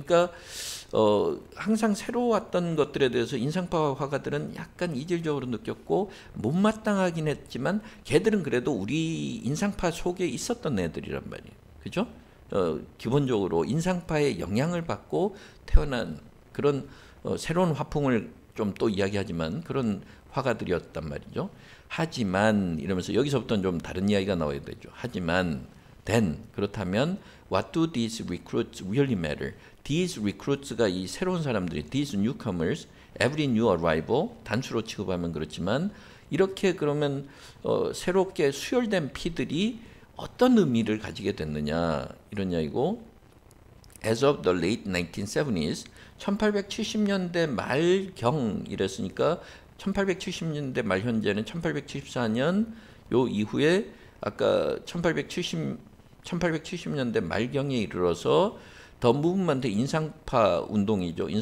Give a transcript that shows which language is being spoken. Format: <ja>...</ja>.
<ko>그러니까 항상 새로 왔던 것들에 대해서 인상파 화가들은 약간 이질적으로 느꼈고 못마땅하긴 했지만 걔들은 그래도 우리 인상파 속에 있었던 애들이란 말이에요. 그죠? 기본적으로 인상파의 영향을 받고 태어난 그런 새로운 화풍을 좀또 이야기하지만 그런 화가들이었단 말이죠. 하지만 이러면서 여기서부터는 좀 다른 이야기가 나와야 되죠. 하지만</ko> <en>then</en> <ko>그렇다면</ko> <en>what do these recruits really matter? These recruits</en> <ko>가 이 새로운 사람들이</ko> <en>these newcomers, every new arrival</en> <ko>단수로 취급하면 그렇지만 이렇게 그러면 새롭게 수혈된 피들이 어떤 의미를 가지게 됐느냐 이런 이야기고</ko> <en>as of the late 1970s</en> <ko>1870년대 말경 이랬으니까 1870년대 말 현재는 1874년 요 이후에 아까 1870년대 말경에 이르러서 더 무브먼트 인상파 운동이죠.</ko>